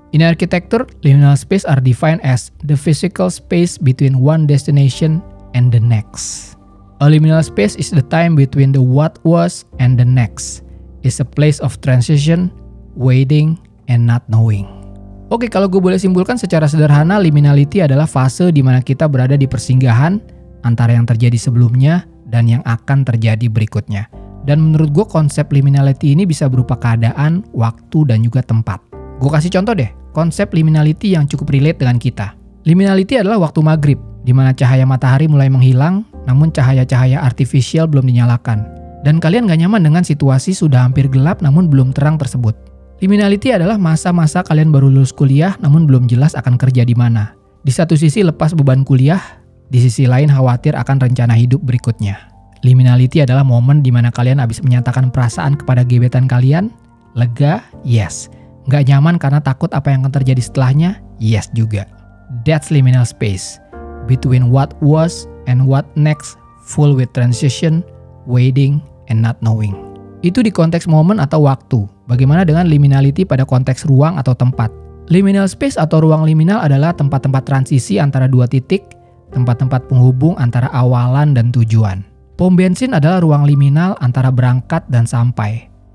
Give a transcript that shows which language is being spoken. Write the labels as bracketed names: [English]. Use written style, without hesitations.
[English] In architecture, liminal space are defined as the physical space between one destination and the next. A liminal space is the time between the what was and the next. It's a place of transition, waiting, and not knowing. [Indonesian] Oke, kalau gue boleh simpulkan secara sederhana, liminality adalah fase di mana kita berada di persinggahan antara yang terjadi sebelumnya dan yang akan terjadi berikutnya. Dan menurut gue, konsep liminality ini bisa berupa keadaan, waktu, dan juga tempat. Gue kasih contoh deh, konsep liminality yang cukup relate dengan kita. Liminality adalah waktu maghrib, di mana cahaya matahari mulai menghilang, namun cahaya-cahaya artifisial belum dinyalakan. Dan kalian gak nyaman dengan situasi sudah hampir gelap namun belum terang tersebut. Liminality adalah masa-masa kalian baru lulus kuliah namun belum jelas akan kerja di mana. Di satu sisi lepas beban kuliah, di sisi lain khawatir akan rencana hidup berikutnya. Liminality adalah momen di mana kalian habis menyatakan perasaan kepada gebetan kalian, lega, yes. Gak nyaman karena takut apa yang akan terjadi setelahnya, yes juga. [English] That's liminal space. between what was and what next, full with transition, waiting, and not knowing. [Indonesian] Itu di konteks momen atau waktu. Bagaimana dengan liminality pada konteks ruang atau tempat? Liminal space atau ruang liminal adalah tempat-tempat transisi antara dua titik, tempat-tempat penghubung antara awalan dan tujuan. Pom bensin adalah ruang liminal antara berangkat dan sampai.